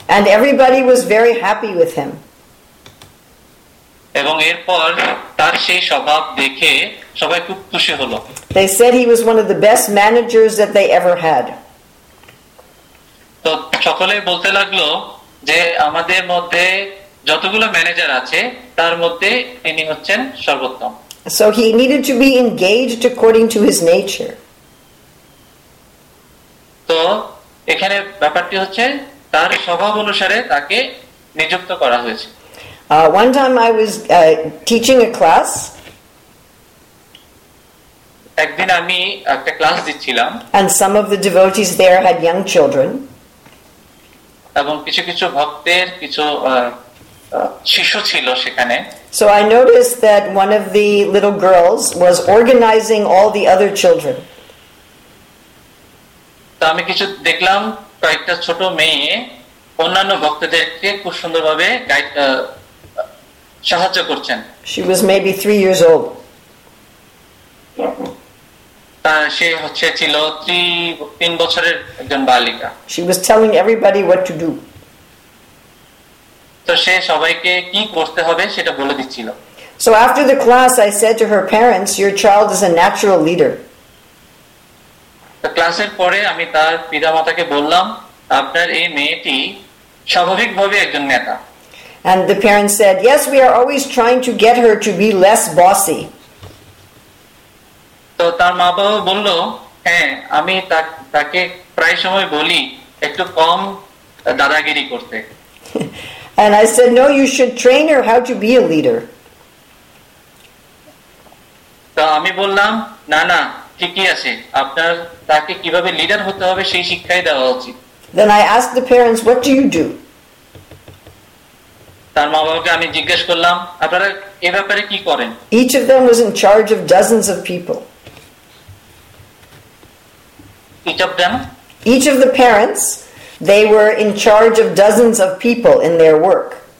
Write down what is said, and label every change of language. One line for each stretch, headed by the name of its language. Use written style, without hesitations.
English: And everybody was very happy with him.
Bangla: এবং এরপর তার সেই স্বভাব দেখে সবাই খুব খুশি হলো।
English: They said he was one of the best managers that they ever had.
Bangla: তো সকলেই বলতে লাগলো যে আমাদের মধ্যে যতগুলো ম্যানেজার আছে তার মধ্যে ইনি হচ্ছেন সর্বোত্তম।
English: So he needed to be engaged according to his nature.
Bangla: তো এখানে ব্যাপারটি হচ্ছে তার স্বভাব অনুসারে তাকে নিযুক্ত করা হয়েছে।
English: One time I was teaching a class.
Bangla: একদিন আমি একটা ক্লাস দিচ্ছিলাম।
English: And some of the devotees there had young children.
Bangla: এবং কিছু কিছু ভক্তের কিছু শিশু ছিল সেখানে।
English: So I noticed that one of the little girls was organizing all the other children.
Bangla: তো আমি কিছু দেখলাম কয়েকটা ছোট মেয়ে অন্যান্য ভক্তদেরকে খুব সুন্দরভাবে গাইড সাহায্য করছেন।
English: She was maybe 3 years old.
Bangla: সে হচ্ছে ছিল 3 বছরের একজন বালিকা।
English: She was telling everybody what to do.
Bangla: তো সে সবাইকে কি করতে হবে সেটা বলে দিছিল।
English: So after the class I said to her parents, your child is a natural leader.
Bangla: তো ক্লাসের পরে আমি তার পিতামাতাকে বললাম আপনার এই মেয়েটি স্বাভাবিকভাবে একজন নেতা।
English: And the parents said, yes, we are always trying to get her to be less bossy.
Bangla: তো তার মা বাবা বললো হ্যাঁ আমি তাকে প্রায় সময় বলি একটু কম দাদাগিরি করতে।
English: And I said, no, you should train her how to be a leader.
Bangla: তো আমি বললাম না না ঠিকই আছে আপনার তাকে কিভাবে লিডার হতে হবে সেই শিক্ষাই দেওয়া উচিত।
English: Then I asked the parents, what do you do?
Bangla: তার মা বাবাকে আমি জিজ্ঞেস করলাম আপনারা এ ব্যাপারে কি করেন।
English: Each of them was in charge of dozens of people. Each of the parents, they were in charge of dozens of people in their work.